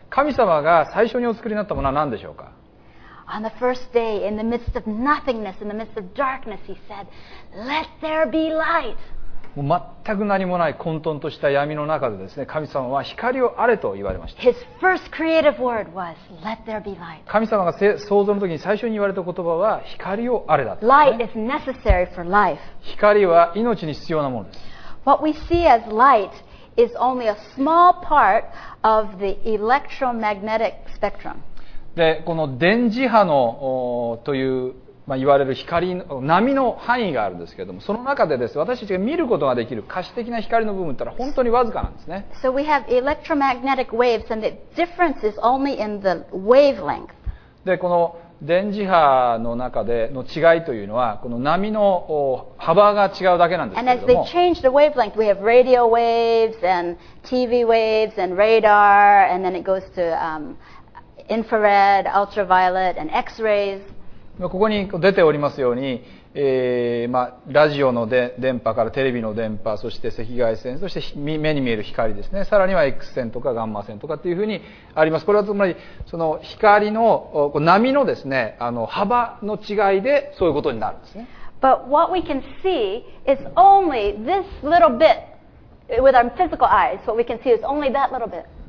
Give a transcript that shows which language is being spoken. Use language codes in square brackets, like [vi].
[ja] 神様が最初にお作りになったものは何でしょうか。 [en] On the first day, in the midst of nothingness, in the midst of darkness, He said, "Let there be light." [ja] もう全く何もない混沌とした闇の中でですね、神様は光をあれと言われました。 [en] His first creative word was, "Let there be light." [ja] 神様が創造の時に最初に言われた言葉は、光をあれだった、 [en] ね。 Light is necessary for life. [ja] 光は命に必要なものです。 [en] What we see as light is only a small part of the electromagnetic spectrum. [ja] で、この電磁波のという、まあ、言われる光の波の範囲があるんですけれども、その中でです、私たちが見ることができる可視的な光の部分ってのは本当にわずかなんですね。 [en] So we have electromagnetic waves and the difference is only in the wavelength. [ja] で、この電磁波の中での違いというのは、この波の幅が違うだけなんですけれども。 [en] And as they change the wavelength, we have radio waves and TV waves and radar and then it goes to infrared, ultraviolet and X-rays. [ja] ここに出ておりますように、まあ、ラジオの電波からテレビの電波、そして赤外線、そして目に見える光ですね。さらには X 線とかガンマ線とかっていうふうにあります。これはつまり、その光の波のですね、幅の違いでそういうことになるんですね。 [en] But what we can see is only this little bit with our physical eyes. What we can see is only that little bit.